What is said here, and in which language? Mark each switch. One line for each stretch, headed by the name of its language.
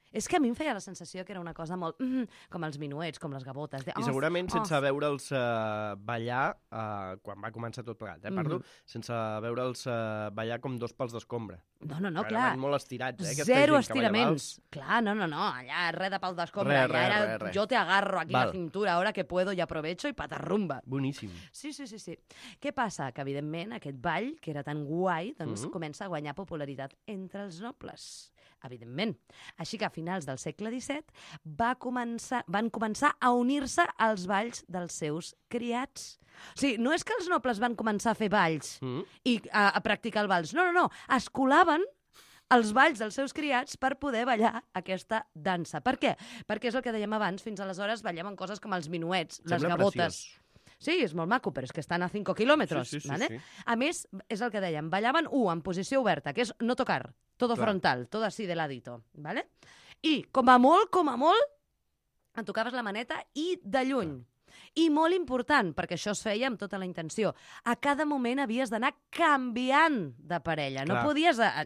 Catalan: És que a mi em feia la sensació que era una cosa molt... com els minuets, com les gavotes. I segurament sense veure'ls ballar, quan va començar tot plegat, parlo, sense veure'ls ballar com dos pals d'escombra. No, clar. Van molt estirats, aquesta zero estiraments. Clar, no, allà res de pals d'escombra. Res.
Spanish: Jo te agarro aquí la cintura,
Catalan: ara que
Spanish: puedo y aprovecho y patarrumba.
Catalan: Boníssim. Sí. Què passa? Que evidentment aquest ball, que era tan guai, doncs comença a guanyar popularitat entre els nobles. Evidentment. Així que a finals del segle XVII van començar a unir-se als balls dels seus criats. O sigui, no és que els nobles van començar a fer balls i a practicar el vals. No. Es colaven els balls dels seus criats per poder ballar aquesta dansa. Per què? Perquè és el que dèiem abans. Fins aleshores ballaven coses com els minuets, les gavotes. Sí, és molt maco, però és que estan a 5 quilòmetres. Sí. A més, és el que dèiem, ballaven en posició oberta, que és no tocar.
Spanish: Todo frontal, todo así de ladito, ¿vale?
Catalan: I, com a molt, em tocaves la maneta i de lluny. I molt important, perquè això es feia amb tota la intenció, a cada moment havies d'anar canviant de parella. No podies...